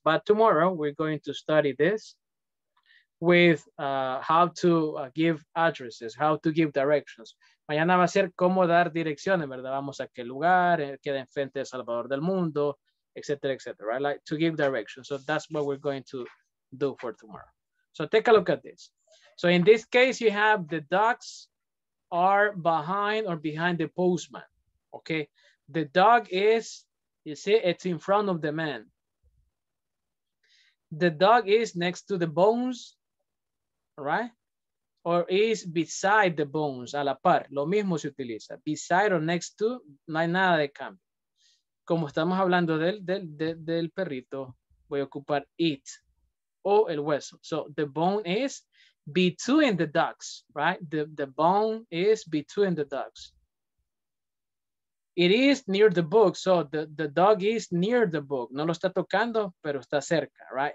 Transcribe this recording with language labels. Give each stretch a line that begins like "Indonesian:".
English: But tomorrow, we're going to study this with how to give addresses, how to give directions.
Spanish: Mañana va a ser cómo dar direcciones, ¿verdad? Vamos a qué lugar, queda enfrente de Salvador del Mundo, etcétera, etcétera, right?
English: Like, to give directions. So that's what we're going to do for tomorrow. So take a look at this. So in this case, you have the dogs are behind or behind the postman. Okay, the dog is, you see, it's in front of the man. The dog is next to the bones, right? Or is beside the bones,
Spanish: a la par. Lo mismo se utiliza. Beside or next to, no hay nada de cambio. Como estamos hablando del perrito, voy a ocupar it o el hueso.
English: So the bone is between the dogs, right? The bone is between the dogs. It is near the book, so the dog is near the book.
Spanish: No lo está tocando, pero está cerca, right?